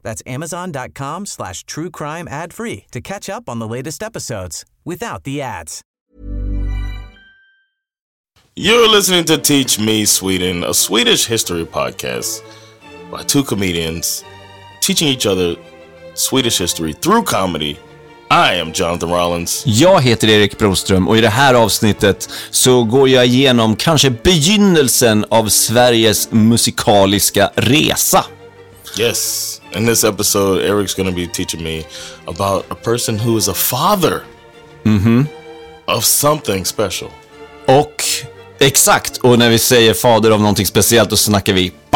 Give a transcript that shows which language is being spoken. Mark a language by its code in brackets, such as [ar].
[en] That's amazon.com/truecrimeadfree to catch up on the latest episodes without the ads. You're listening to Teach Me Sweden, a Swedish history podcast by two comedians teaching each other Swedish history through comedy. I am Jonathan Rollins. [sv] Jag heter Erik Broström och i det här avsnittet så går jag igenom kanske begynnelsen av Sveriges musikaliska resa. [en] Yes, in this episode Erik's going to be teaching me about a person who is a father of something special. [sv] Och... Exakt, och när vi säger fader av någonting speciellt, då snackar vi